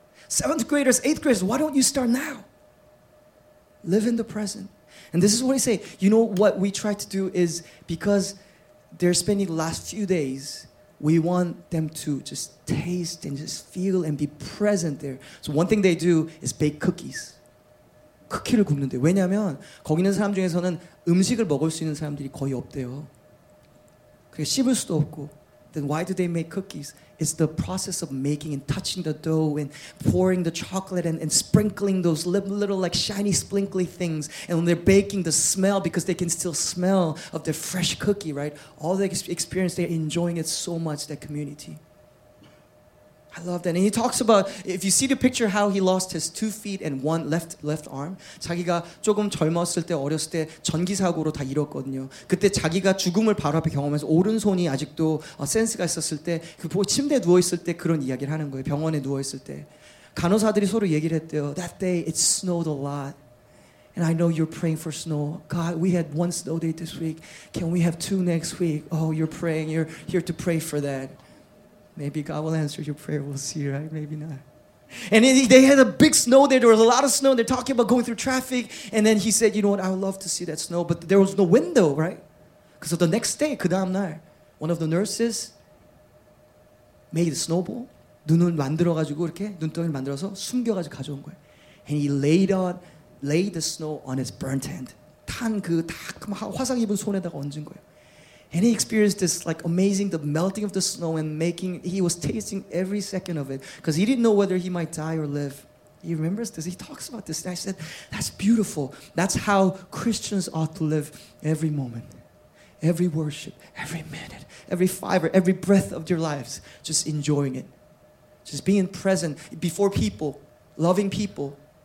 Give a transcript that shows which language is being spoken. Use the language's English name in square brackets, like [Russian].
[English] 7th graders, 8th graders, why don't you start now? Live in the present. And this is what I say. You know what we try to do is because they're spending the last few days, we want them to just taste and just feel and be present there. So one thing they do is bake cookies. [Korean] 쿠키를 굽는데 왜냐하면 거기 있는 사람 중에서는 음식을 먹을 수 있는 사람들이 거의 없대요. 그래서 씹을 수도 없고 [English] Then why do they make cookies? It's the process of making and touching the dough and pouring the chocolate and sprinkling those little like shiny sprinkly things. And when they're baking, the smell, because they can still smell of the fresh cookie, right? All the experience, they're enjoying it so much, that community. I love that. And he talks about, if you see the picture, how he lost his 2 feet and one left arm. [Korean] 자기가 조금 젊었을 때, 어렸을 때 전기사고로 다 잃었거든요. 그때 자기가 죽음을 바로 앞에 경험해서 오른손이 아직도 센스가 있었을 때, 그 침대에 누워있을 때 그런 이야기를 하는 거예요. 병원에 누워있을 때. 간호사들이 서로 얘기를 했대요. [English] That day it snowed a lot. And I know you're praying for snow. God, we had one snow day this week. Can we have two next week? Oh, you're praying. You're here to pray for that. Maybe God will answer your prayer. We'll see, right? Maybe not. And they had a big snow there. There was a lot of snow. And they're talking about going through traffic. And then he said, you know what? I would love to see that snow. But there was no window, right? Because the next day, [Korean] 그 다음날, [English] one of the nurses made a snowball. [Korean] 눈을 만들어가지고 이렇게 눈덩이를 만들어서 숨겨가지고 가져온 거예요. [English] And he laid the snow on his burnt hand. [Korean] 탄 그 탁 화상 입은 손에다가 얹은 거예요. [English] And he experienced this like amazing, the melting of the snow and making, he was tasting every second of it because he didn't know whether he might die or live. He remembers this. He talks about this. And I said, that's beautiful. That's how Christians ought to live every moment, every worship, every minute, every fiber, every breath of their lives, just enjoying it, just being present before people, loving people.